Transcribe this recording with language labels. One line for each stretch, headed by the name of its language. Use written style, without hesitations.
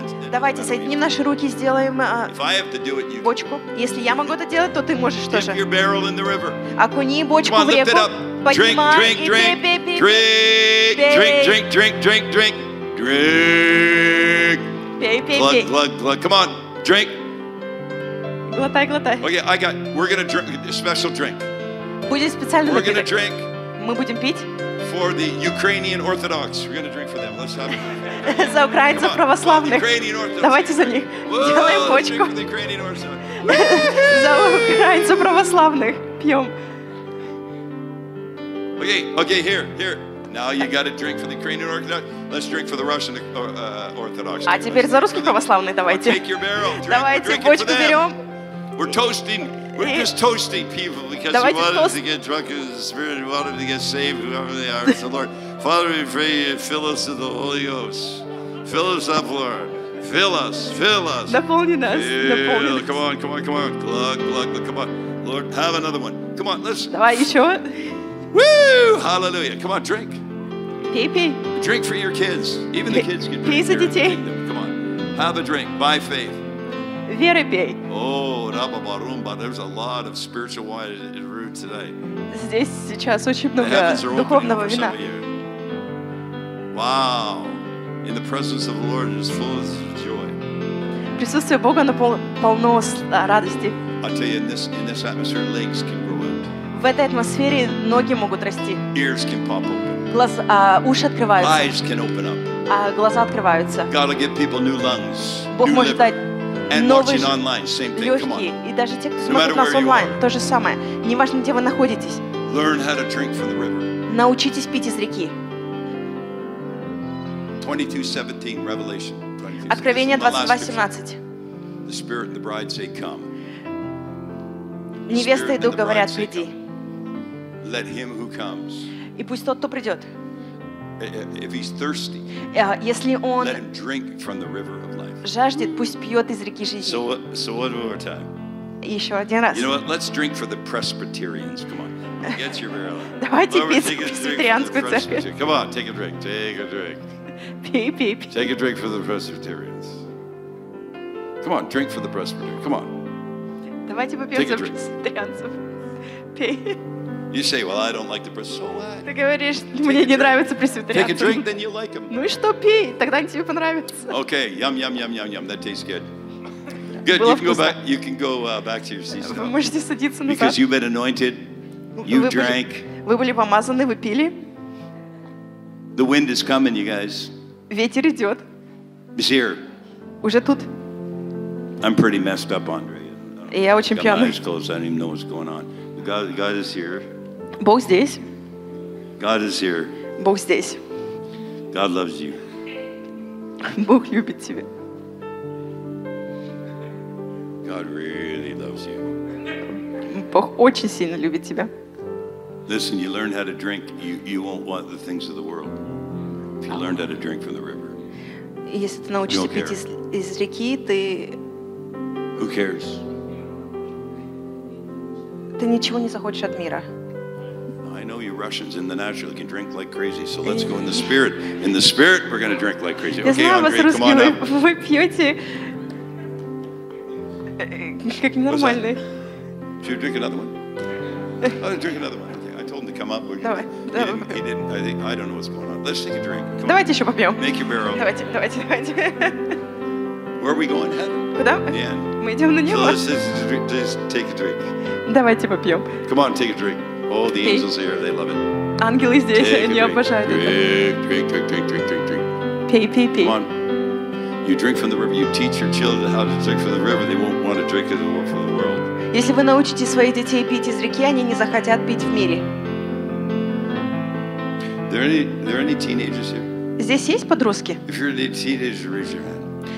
Russian: Давайте соединим наши руки, сделаем бочку. Если я могу это делать, то ты можешь тоже. Окуни бочку в реку.
English: Drink. Glug, glug, glug. Come on, drink.
Russian: Глотай, глотай.
English: Okay, I got. We're gonna drink a special drink.
Russian: Будет специальный напиток.
English: We're gonna drink.
Russian: Мы будем пить.
English: For the Ukrainian Orthodox, we're gonna drink for them. Let's have it.
Russian: За украинцев православных. Давайте за них. Делаем бочку. За украинцев православных. Пьем.
English: Okay, okay, here, here. Now you got to drink for the Ukrainian Orthodox. Let's drink for the Russian Orthodox.
Russian: А теперь за русских православных давайте.
English: Take your barrel.
Russian: Давайте бочку берем.
English: We're toasting. We're just toasting people because we wanted to get drunk in the Spirit. We wanted to get saved, whoever they are. So Lord, Father, we pray you fill us with the Holy Ghost. Fill us up, Lord. Fill us. Fill us.
Russian: Наполни нас. Наполни.
English: Come on, come on, come on. Glug, glug, glug. Come on, Lord, have another one. Come on, let's.
Russian: Давай еще.
English: Woo! Hallelujah. Come on, drink.
Russian: Пей, пей.
English: Drink for your kids. Even the kids can drink.
Russian: Пей за детей.
English: Come on. Have a drink. By faith.
Russian: Веры пей.
English: Oh, Рабабарумба. There's a lot of spiritual wine in the room today.
Russian: Здесь сейчас очень много духовного вина.
English: Wow. In the presence of the Lord, it is full of joy.
Russian: Присутствие Бога полно радости.
English: I tell you, in this atmosphere, legs can grow out.
Russian: В этой атмосфере ноги могут расти.
English: Ears can pop open.
Russian: Уши открываются.
English: Eyes can open up.
Russian: Глаза открываются.
English: God will give people new lungs.
Russian: Бог может дать
English: And watching online, same thing.
Russian: Легкие.
English: Come on.
Russian: И даже те, кто смотрит нас онлайн, то же самое. Неважно, где вы находитесь.
English: Learn how to drink from the river.
Russian: Научитесь пить из реки.
English: 22:17 Revelation.
Russian: Откровение 22:17.
English: The Spirit and the Bride say, "Come."
Russian: Невеста и дух говорят, приди.
English: Let him who comes.
Russian: И пусть тот, кто придет.
English: If he's thirsty,
Russian: если он
English: let him drink from the river of life.
Russian: Жаждет, пусть пьет из реки жизни.
English: So one more time.
Russian: Еще один раз.
English: You know what? Let's drink for the Presbyterians. Come on, get your barrel.
Russian: Давайте пить Пресвитерианскую церковь.
English: Come on, take a drink. Take a drink.
Russian: Пей, пей, пей.
English: Take a drink for the Presbyterians. Come on, drink for the Presbyterians. Come on.
Russian: Давайте попьем за Пресвитерианцев. Пей.
English: You say, well, I don't like the Presbyterians.
Russian: Ты говоришь, мне не нравится Пресвитерианцы.
English: Take a drink, then you like them.
Russian: Ну и что, пей, тогда они тебе понравятся.
English: Okay, yum, that tastes good. Good, you can go back. You can go back to your seat.
Russian: Вы можете садиться назад.
English: Because you've been anointed, you drank.
Russian: Вы были помазаны, вы пили.
English: The wind is coming, you guys.
Russian: Ветер идет.
English: It's here.
Russian: Уже тут.
English: I'm pretty messed up, Andre.
Russian: Я очень пьяный.
English: My eyes closed. I don't even know what's going on. God is here.
Russian: Бог здесь.
English: God is here.
Russian: Бог здесь.
English: God loves you.
Russian: Бог любит тебя.
English: God really loves you.
Russian: Бог очень сильно любит тебя.
English: Listen, you learn how to drink, you won't want the things of the world. If you learned how to drink from the river.
Russian: Если ты научишься пить из реки, ты.
English: Who cares?
Russian: Ты ничего не захочешь от мира.
English: I know you Russians in the natural can drink like crazy, so let's go in the spirit. In the spirit, we're going to drink like crazy. Okay, Andrei, come on up.
Russian: Я знаю вас, русские, вы пьете как ненормальный.
English: Should we drink another one? I'll drink another one. Okay, I told him to come up.
Russian: Давай.
English: He didn't. I don't know what's going on. Let's take a drink. Come
Russian: давайте
English: on.
Russian: Еще попьем.
English: Make your barrel.
Russian: Давайте.
English: Where are we going? Heaven?
Russian: Куда?
English: Yeah.
Russian: Мы идем на небо.
English: So let's take a drink.
Russian: Давайте попьем.
English: Come on, take a drink. All the angels here, they love it.
Russian: Ангелы здесь, они обожают это.
English: Drink.
Russian: Pee.
English: Come on. You drink from the river. You teach your children how to drink from the river. They won't want to drink it from the world.
Russian: Если вы научите своих детей пить из реки, они не захотят пить в мире.
English: There any teenagers here?
Russian: Здесь есть подростки?
English: If you're a teenager, raise your hand.